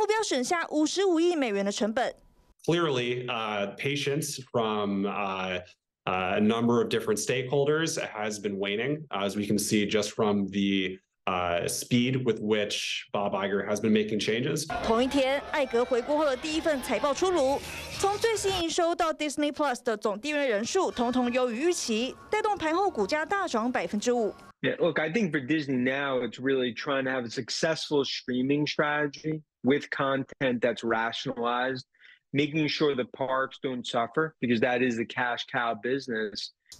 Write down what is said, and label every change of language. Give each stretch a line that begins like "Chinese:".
Chinese: 迪士尼执行长艾格自去年年底回国后，就将削减成本、让串流平台赚钱视为首要任务。如今开出第一枪，将全公司改组成3个部门，目标省下55亿美元的成本。
English: Clearly, patience from a number of different stakeholders has been waning, as we can see just from the speed with which Bob Iger has been making changes.
Chinese: 同一天，艾格回国后的第一份财报出炉，从最新营收到 Disney Plus 的总订阅人数，统统优于预期，带动盘后股价大涨 5%。
English: Yeah, look, I think for Disney now, it's really trying to have a successful streaming strategy with content that's rationalized, making sure the parks don't suffer because that is the cash cow business.